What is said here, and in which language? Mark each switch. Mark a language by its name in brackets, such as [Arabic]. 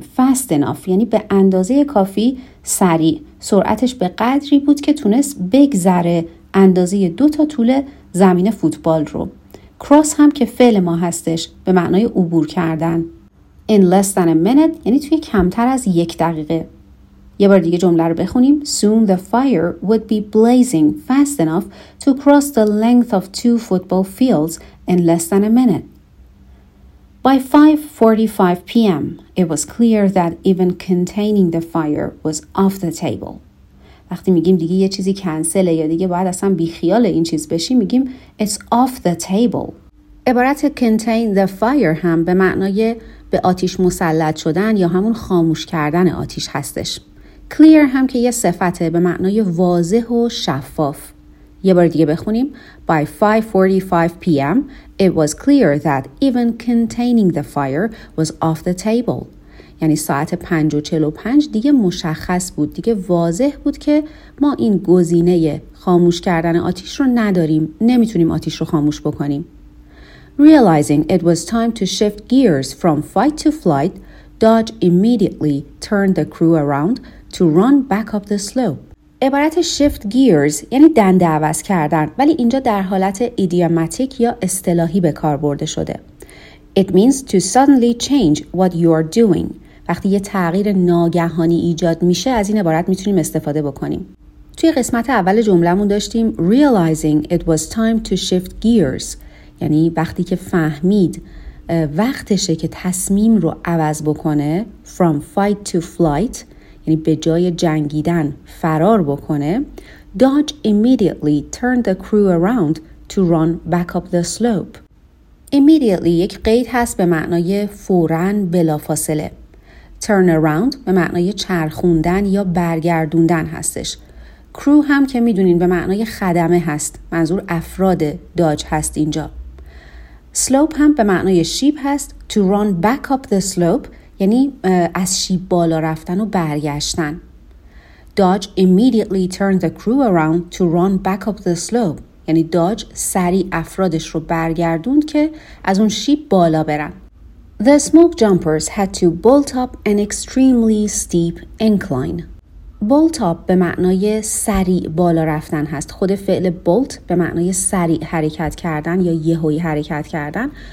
[Persian] fast enough یعنی به اندازه کافی سریع، سرعتش به قدری بود که تونست بگذره اندازه دو تا طول زمین فوتبال رو. cross هم که فعل ما هستش به معنای عبور کردن. in less than a minute یعنی توی کمتر از یک دقیقه. یه بار دیگه جمله رو بخونیم. [English] Soon the fire would be blazing fast enough to cross the length of two football fields in less than a minute. By 5:45 p.m., it was clear that even containing the fire was off the table. [Persian] وقتی میگیم دیگه یه چیزی کنسله یا دیگه باید اصلا بیخیال این چیز بشیم، میگیم [English] it's off the table. [Persian] عبارت contain the fire هم به معنای به آتیش مسلط شدن یا همون خاموش کردن آتیش هستش. clear هم که یه صفته به معنای واضح و شفاف. یه بار دیگه بخونیم. [English] By 5:45 p.m. it was clear that even containing the fire was off the table. [Persian] یعنی ساعت 5:45 دیگه مشخص بود، دیگه واضح بود که ما این گزینه خاموش کردن آتیش رو نداریم، نمیتونیم آتیش رو خاموش بکنیم. [English] Realizing it was time to shift gears from fight to flight, Dodge immediately turned the crew around to run back up the slope. [Persian] عبارت shift gears یعنی دنده عوض کردن، ولی اینجا در حالت ایدیوماتیک یا اصطلاحی به کار برده شده. [English] It means to suddenly change what you are doing. [Persian] وقتی یه تغییر ناگهانی ایجاد میشه از این عبارت میتونیم استفاده بکنیم. توی قسمت اول جملمون داشتیم [English] realizing it was time to shift gears، [Persian] یعنی وقتی که فهمید وقتشه که تصمیم رو عوض بکنه، [English] from fight to flight [Persian] یعنی به جای جنگیدن فرار بکنه، [English] Dodge immediately turned the crew around to run back up the slope. [Persian] immediately یک قید هست به معنای فوراً بلافاصله. turn around به معنای چرخوندن یا برگردوندن هستش. crew هم که میدونین به معنای خدمه هست، منظور افراد Dodge هست اینجا. slope هم به معنای شیب هست، [English] to run back up the slope [Persian] یعنی از شیب بالا رفتن و برگشتن. [English] Dodge immediately turned the crew around to run back up the slope. [Persian] یعنی داج سریع افرادش رو برگردوند که از اون شیب بالا برن. [English] The smoke jumpers had to bolt up an extremely steep incline. [Persian] Bolt up به معنای سریع بالا رفتن هست. خود فعل bolt به معنای سریع حرکت کردن یا یهویی حرکت کردن.